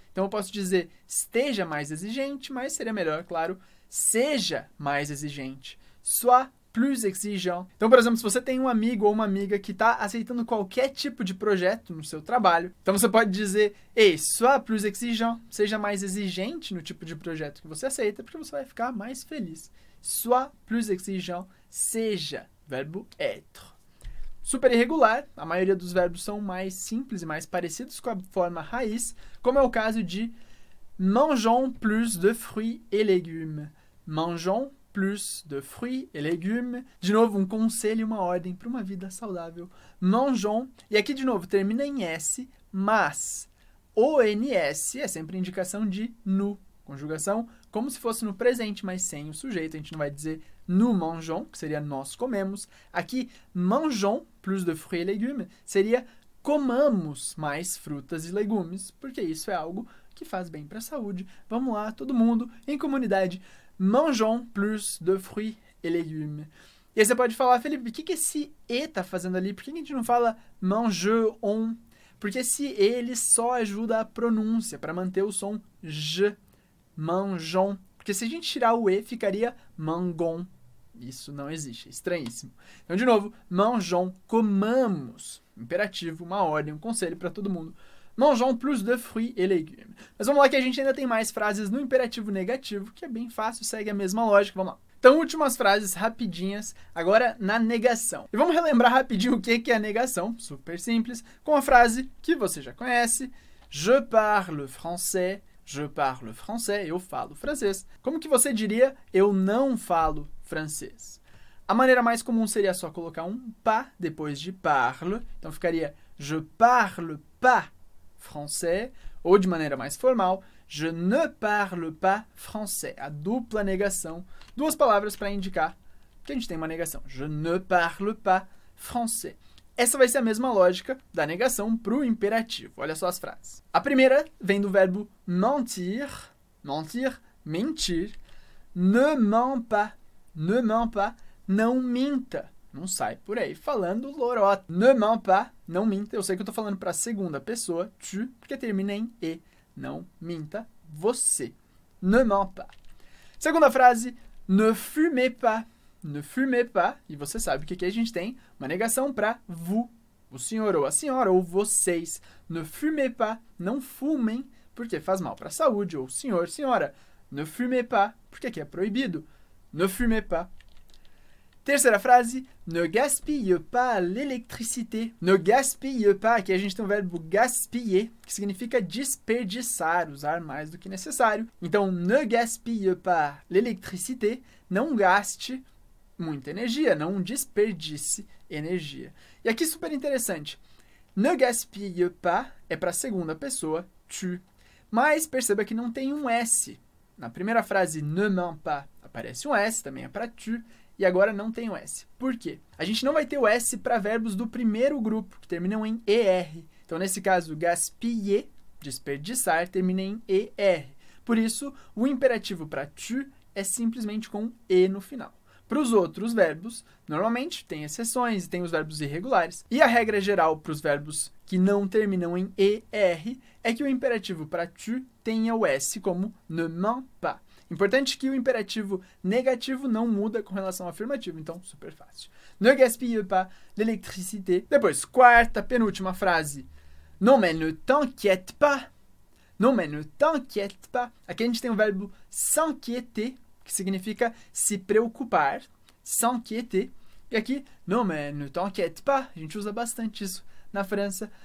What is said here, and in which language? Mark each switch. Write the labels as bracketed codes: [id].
[pt] Então, eu posso dizer esteja mais exigente, mas seria melhor, claro, seja mais exigente. [fr] Sois plus exigeant. [pt] Então, por exemplo, se você tem um amigo ou uma amiga que está aceitando qualquer tipo de projeto no seu trabalho, então você pode dizer, ei, [fr] sois plus exigeant, [pt] seja mais exigente no tipo de projeto que você aceita, porque você vai ficar mais feliz. [fr] Sois plus exigeant, [pt] seja, verbo [fr] être. [pt] Super irregular, a maioria dos verbos são mais simples e mais parecidos com a forma raiz, como é o caso de [fr] mangeons plus de fruits et légumes. Mangeons plus de fruits et légumes. [pt] De novo, um conselho e uma ordem para uma vida saudável. Manjon. E aqui, de novo, termina em S, mas ONS é sempre indicação de no. Conjugação como se fosse no presente, mas sem o sujeito. A gente não vai dizer [fr] nous mangeons, [pt] que seria nós comemos. Aqui, [fr] mangeons plus de fruits et légumes [pt] seria comamos mais frutas e legumes, porque isso é algo que faz bem para a saúde. Vamos lá, todo mundo em comunidade. [fr] Mangeons plus de fruits et légumes. [pt] E aí você pode falar, Felipe, o que que esse e tá fazendo ali? Por que a gente não fala mangeons? Porque esse e, ele só ajuda a pronúncia, para manter o som j. Manjon. Porque se a gente tirar o E, ficaria mangon. Isso não existe, é estranhíssimo. Então, de novo, manjon, comamos. Imperativo, uma ordem, um conselho para todo mundo. [fr] Manjon plus de fruits et légumes. [pt] Mas vamos lá, que a gente ainda tem mais frases no imperativo negativo, que é bem fácil, segue a mesma lógica. Vamos lá. Então, últimas frases rapidinhas, agora na negação. E vamos relembrar rapidinho o que é a negação, super simples, com a frase que você já conhece: [fr] Je parle français. Je parle français, [pt] eu falo francês. Como que você diria eu não falo francês? A maneira mais comum seria só colocar um pas depois de parle. Então ficaria [fr] je parle pas français. [pt] Ou de maneira mais formal, [fr] je ne parle pas français. [pt] A dupla negação. Duas palavras para indicar que a gente tem uma negação. [fr] Je ne parle pas français. [pt] Essa vai ser a mesma lógica da negação para o imperativo. Olha só as frases. A primeira vem do verbo mentir. [fr] Mentir, mentir. Ne ment pas. Ne ment pas. [pt] Não minta. Não sai por aí falando lorota. [fr] Ne ment pas. [pt] Não minta. Eu sei que eu estou falando para a segunda pessoa. Tu. Porque termina em e. Não minta. Você. [fr] Ne ment pas. [pt] Segunda frase. [fr] Ne fumez pas. Ne fumez pas, [pt] e você sabe o que, que a gente tem, uma negação para vous, o senhor ou a senhora, ou vocês. [fr] Ne fumez pas, [pt] não fumem, porque faz mal para a saúde, ou senhor, senhora. [fr] Ne fumez pas, [pt] porque aqui é proibido. [fr] Ne fumez pas. [pt] Terceira frase, [fr] ne gaspille pas l'électricité. Ne gaspille pas, [pt] aqui a gente tem o verbo gaspiller, que significa desperdiçar, usar mais do que necessário. Então, [fr] ne gaspille pas l'électricité, [pt] não gaste muita energia, não desperdice energia. E aqui super interessante. [fr] Ne gaspille pas [pt] é para a segunda pessoa, tu. Mas perceba que não tem um S. Na primeira frase, [fr] ne ment pas, [pt] aparece um S, também é para tu. E agora não tem o S. Por quê? A gente não vai ter o S para verbos do primeiro grupo, que terminam em ER. Então, nesse caso, gaspiller, desperdiçar, termina em ER. Por isso, o imperativo para tu é simplesmente com E no final. Para os outros verbos, normalmente tem exceções e tem os verbos irregulares. E a regra geral para os verbos que não terminam em ER é que o imperativo para tu tenha o S como [fr] ne ment pas. [pt] Importante que o imperativo negativo não muda com relação ao afirmativo, então super fácil. [fr] Ne gaspille pas l'électricité. [pt] Depois, quarta, penúltima frase. [fr] Non mais ne t'inquiète pas. Non mais ne t'inquiète pas. [pt] Aqui a gente tem o verbo s'inquiéter, que significa se preocupar, s'inquiéter. E aqui, [fr] non mais ne t'inquiète pas, [pt] a gente usa bastante isso na França.